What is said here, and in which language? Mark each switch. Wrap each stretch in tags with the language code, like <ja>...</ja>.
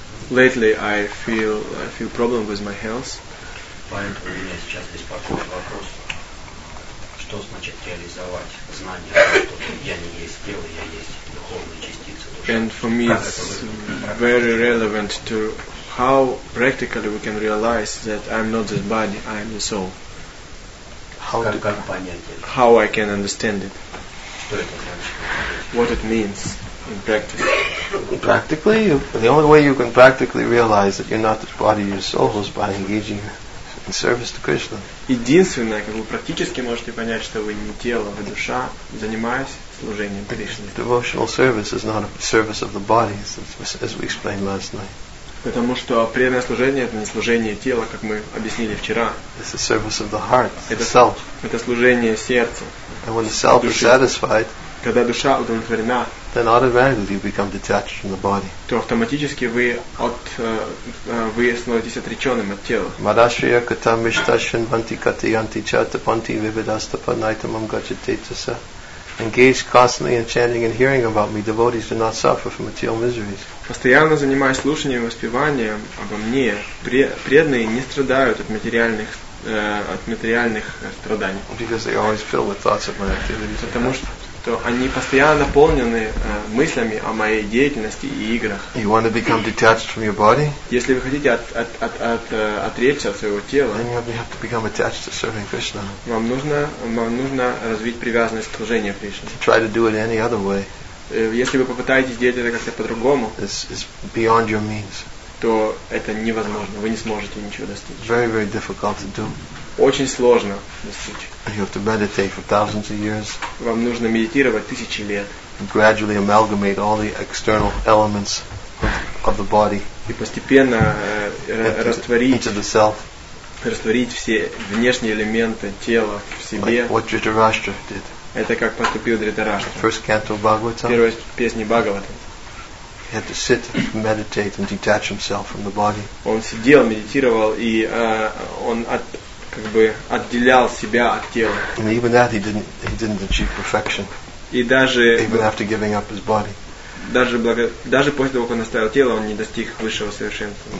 <en>Lately I feel problem with my health.</en> <ru>Поэтому меня сейчас беспокоит вопрос. Что значит реализовать знание, что я не есть тело, я есть духовная частица души.</ru> <en>And for me it's very relevant to how practically we can realize that I'm not this body, I'm the soul. How I can understand it. What it means in practice. Practically, the only way you can practically realize that you're not this body, you're the soul, is by engaging in service to Krishna.</en> <ru>Единственное, как вы практически можете понять, что вы не тело, вы душа, занимаясь служением Кришне.</ru> <en>Devotional service is not a service of the body, as we explained last night.</en> <ru>Потому что преданное служение — это не служение тела, как мы объяснили вчера.</ru> <en>It's a service of the heart, the self.</en> <ru>Это служение сердца.</ru> <en>And when the self is satisfied,</en> <ru>когда душа удовлетворена,</ru> <en>then automatically you become detached from the body.</en> <ru>То автоматически вы становитесь отреченным от тела.</ru> <sa>Мадашрия катам мишташин банти катиянти чата панти вивидаста панайтамам гачатетаса.</sa> <en>Engaged constantly in chanting and hearing about me, devotees do not suffer from material miseries.</en> <ru>Постоянно занимаясь слушанием и воспеванием обо мне, преданные не страдают от материальных страданий.</ru> <en>Because they are always filled with thoughts of my activities.</en> <ru>Потому что то они постоянно наполнены мыслями о моей деятельности и играх.</ru> <en>You want to become detached from your body?</en> <ru>Если вы хотите отречься от своего тела,</ru> <en>then you have to become attached to serving Krishna.</en> <ru>Вам нужно развить привязанность к служению Кришне.</ru> <en>Try to do it any other way.</en> <ru>Если вы попытаетесь делать это как-то по-другому,</ru> <en>it's beyond your means.</en> <ru>То это невозможно, вы не сможете ничего достичь.</ru> <en>Very, very difficult to do.</en> <ru>Очень сложно достичь.</ru> <en>You have to meditate for thousands of years.</en> <ru>Вам нужно медитировать тысячи лет.</ru> <en>And gradually amalgamate all the external elements of the body.</en> <ru>И постепенно растворить</ru> <en>into the self.</en> <ru>Растворить все внешние элементы тела в себе.</ru> <en>Like what Dhritarashtra did.</en> <ru>Это как поступил Дхритарашта.</ru> <en>First canto of Bhagavatam.</en> <ru>Первая песня Бхагаватам.</ru> <en>He had to sit, meditate, and detach himself from the body.</en> <ru>Он сидел, медитировал, и он как бы отделял себя от тела.</ru> <en>And even that, he didn't achieve perfection.</en> <ru>И даже</ru> <en>even after giving up his body.</en> <ru>Даже после того, как он оставил тело, он не достиг высшего совершенства.</ru>